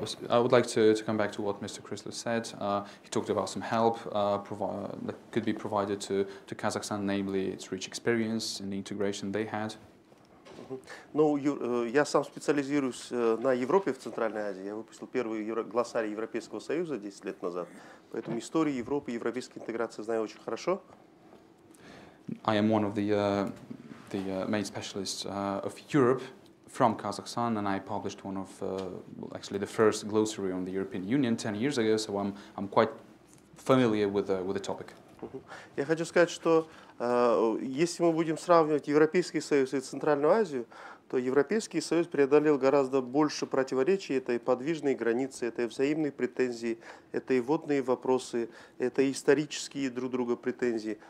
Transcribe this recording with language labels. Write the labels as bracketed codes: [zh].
[en] I would like to come back to what Mr. Chrysler said. He talked about some help that could be provided to Kazakhstan, namely its rich experience in the integration they had. [ru] Ну, я сам специализируюсь на Европе в Центральной Азии. Я выпустил первый глоссарий Европейского Союза 10 лет назад. Поэтому историю Европы и европейской интеграции знаю очень хорошо. [en] I am one of the main specialists of Europe from Kazakhstan, and I published one of actually the first glossary on the European Union 10 years ago, so I'm quite familiar with the topic. [ru] Я хочу сказать, что если мы будем сравнивать Европейский Союз и Центральную Азию, то Европейский Союз преодолел гораздо больше противоречий, это и подвижные границы, это и взаимные претензии, это и водные вопросы, это и исторические друг друга претензии.